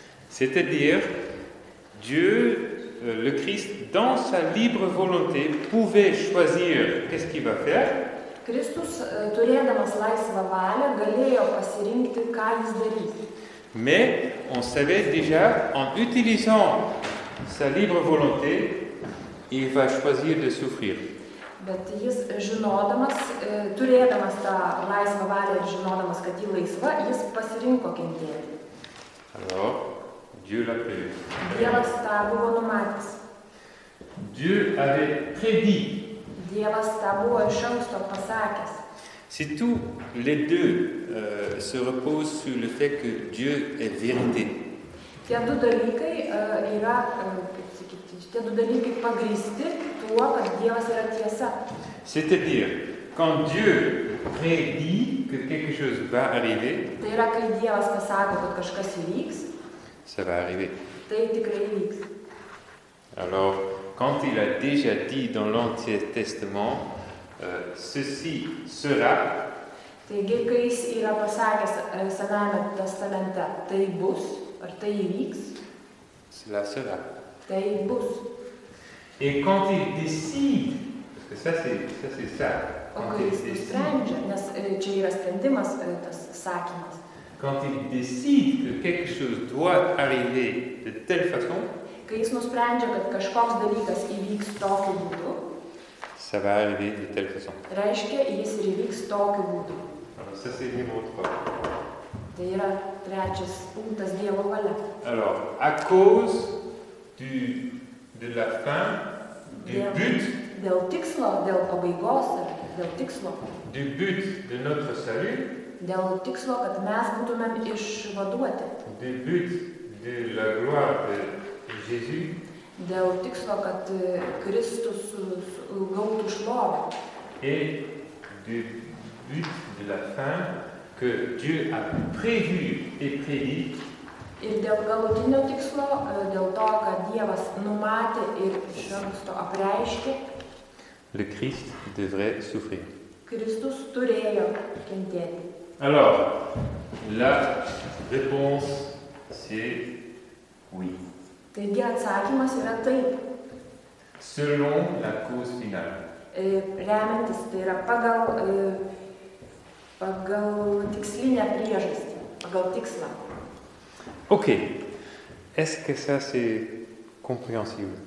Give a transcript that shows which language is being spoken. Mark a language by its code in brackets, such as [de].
[fr] C'est-à-dire Dieu, le Christ, dans sa libre volonté, pouvait choisir qu'est-ce qu'il va faire. [lt] Kristus, turėdamas laisvą valią, galėjo pasirinkti, ką jis darys. [fr] Mais on savait déjà, en utilisant sa libre volonté, il va choisir de souffrir. [lt] Bet jis žinodamas, turėdamas tą laisvą valią ir žinodamas, kad jį laisva, jis pasirinko kentėti. [fr] Alors, Dieu l'a prévu. [lt] Dievas tą buvo numatęs. [fr] Dieu avait prédit. [lt] Dievas tą buvo iš anksto pasakęs. [fr] C'est tout, les deux se reposent sur le fait que Dieu est vérité. [lt] Tie du dalykai yra, kaip sakyti, tie du dalykai pagrįsti tuo, kad Dievas yra tiesa. [fr] C'est-à-dire, quand Dieu prédit que quelque chose va arriver, [lt] tai yra, kai Dievas pasako, kad kažkas įvyks, [fr] ça va arriver. [lt] Tai tikrai įvyks. [fr] Alors, quand il a déjà dit dans l'Ancien Testament, ceci sera. [lt] Taigi, kai jis yra pasakęs Senajame Testamente, tai bus, ar tai įvyks? [fr] Cela sera. [lt] Tai bus. [fr] Et quand il décide, parce que ça c'est ça. [lt] O kai jis sprendžia, nes čia yra sprendimas, tas sakymas. [fr] Quand il décide que quelque chose doit arriver de telle façon, [lt] kai jis nusprendžia, kad kažkoks dalykas įvyks tokiu būdu, [fr] ça va arriver de telle façon. [lt] Reiškia, jis ir įvyks tokiu būdu. [fr] Ça, c'est numéro 3. [lt] Tai yra trečias punktas Dievo valia. [fr] Alors, à cause de la fin, du but, [lt] dėl tikslo, dėl pabaigos, dėl tikslo, [fr] du but de notre salut, [lt] dėl tikslo, kad mes būtumėm išvaduoti, [fr] du but de la gloire de Jésus, [lt] dėl tikslo, kad Kristus gautų šlovę. [fr] Et du but de la fin que Dieu a prévu et prédit. [lt] Ir dėl galutinio tikslo, dėl to, kad Dievas numatė ir iš anksto apreiškė, [fr] le Christ devrait souffrir. [lt] Kristus turėjo kentėti. [fr] Alors, La réponse, c'est oui. [lt] Taigi, atsakymas yra taip. [fr] Selon la cause finale. [lt] Remiantis, tai yra pagal tikslinę priežastį, pagal tikslą. [fr] Ok. Est-ce que ça c'est compréhensible?